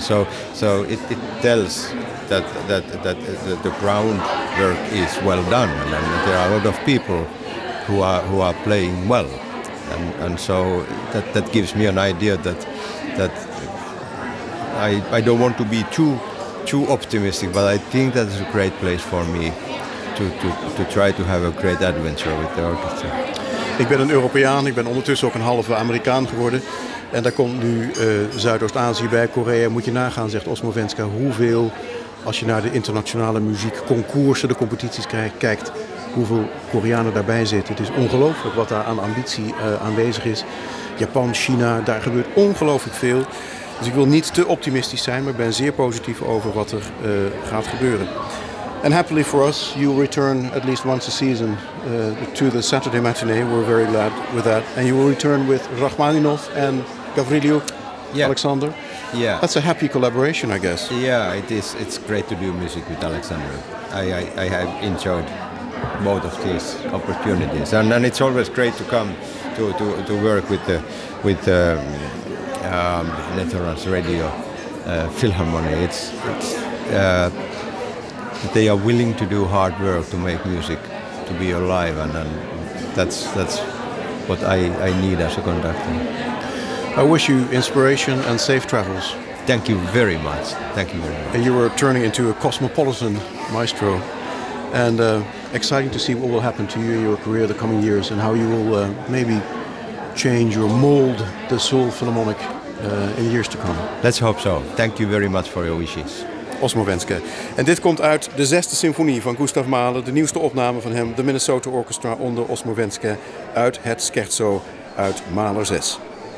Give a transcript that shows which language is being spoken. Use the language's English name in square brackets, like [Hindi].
[English] So it tells that the groundwork is well done, and there are a lot of people who are playing well, and so that gives me an idea that I don't want to be too optimistic, but I think that's a great place for me to try to have a great adventure with the orchestra. [Dutch] Ik ben een Europeaan, ik ben ondertussen ook een halve Amerikaan geworden. En daar komt nu Zuidoost-Azië bij, Korea. Moet je nagaan, zegt Osmo Venska, hoeveel, als je naar de internationale muziekconcoursen, de competities kijkt, hoeveel Koreanen daarbij zitten. Het is ongelooflijk wat daar aan ambitie aanwezig is. Japan, China, daar gebeurt ongelooflijk veel. Dus ik wil niet te optimistisch zijn, maar ik ben zeer positief over wat er gaat gebeuren. [English] And happily for us, you return at least once a season to the Saturday matinee. We're very glad with that. And you will return with Rachmaninoff and Gavrilo, yeah. Alexander. Yeah. That's a happy collaboration, I guess. Yeah, it is. It's great to do music with Alexander. I have enjoyed both of these opportunities. And it's always great to come to work with the Netherlands Radio Philharmonie. They are willing to do hard work to make music, to be alive, and that's what I need as a conductor. I wish you inspiration and safe travels. Thank you very much. Thank you very much. And you are turning into a cosmopolitan maestro, and exciting to see what will happen to you in your career the coming years, and how you will maybe change or mold the Seoul Philharmonic in years to come. Let's hope so. Thank you very much for your wishes. Osmo Venske. [Dutch] En dit komt uit de zesde symfonie van Gustav Mahler. De nieuwste opname van hem, de Minnesota Orchestra onder Osmo Venske. Uit het Scherzo uit Mahler 6.